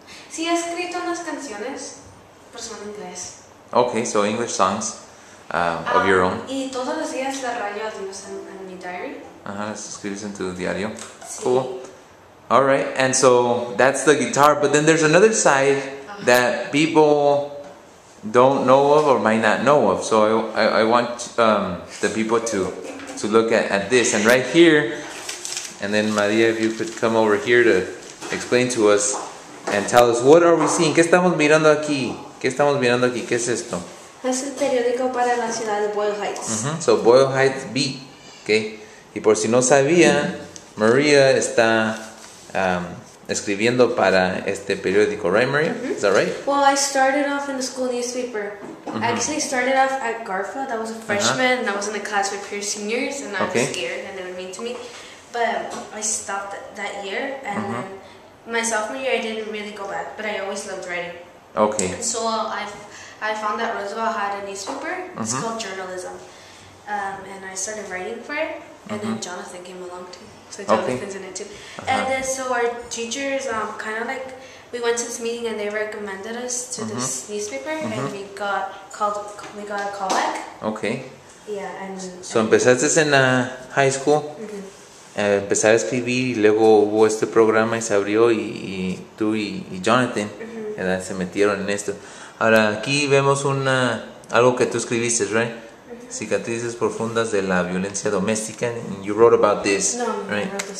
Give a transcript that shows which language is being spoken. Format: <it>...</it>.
<es>Sí, he escrito unas canciones, pero son en inglés.</es> <en>Okay, so English songs of your own.</en> <es>Y todos los días la rayo en mi diary. Escribes en tu diario. Sí.</es> <en>Cool. All right, and so that's the guitar, but then there's another side that people don't know of or might not know of. So I want the people to look at this. And right here, and then Maria, if you could come over here to explain to us and tell us, what are we seeing?</en> <es>¿Qué estamos mirando aquí? ¿Qué estamos mirando aquí? ¿Qué es esto? Es el periódico para la ciudad de Boyle Heights.</es> <en>Mm-hmm. So Boyle Heights B, okay?</en> <es>Y por si no sabía, Maria está escribiendo para este periódico, right, Maria? Mm-hmm.</es> <en>Is that right? Well, I started off in the school newspaper. Mm-hmm. I actually started off at Garfa. That was a freshman, and I was in a class with peer seniors, and I was scared, and they were mean to me. But I stopped that year, and my sophomore year, I didn't really go back, but I always loved writing. Okay. And so I found that Roosevelt had a newspaper. It's called Journalism. And I started writing for it, and then Jonathan came along too. So Jonathan's in it too. And then so our teachers, kind of like, we went to this meeting and they recommended us to this newspaper, and we got a callback. Okay. Yeah, and</en> <es>so empezaste en high school. Empezaste a escribir y luego hubo este programa y se abrió y tú y Jonathan se metieron en esto. Ahora aquí vemos una algo que tú escribiste, right? Cicatrices profundas de la violencia doméstica. You wrote about this, right?</es>